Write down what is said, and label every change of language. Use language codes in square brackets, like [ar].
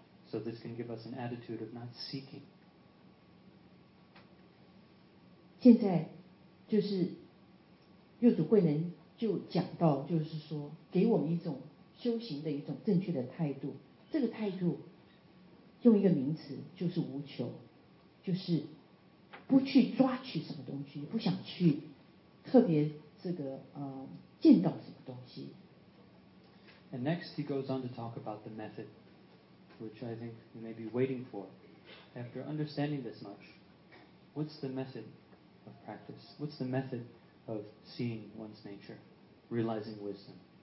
[en] So this can give us an attitude of not seeking. [zh] 现在就是右祖慧能就讲到，就是说给我们一种修行的一种正确的态度，这个态度。用一个名词就是无求，就是不去抓取什么东西，不想去特别这个见到什么东西。 [en] And next he goes on to talk about the method, which I think you may be waiting for. After understanding this much, what's the method of practice? What's the method of seeing one's nature, realizing wisdom?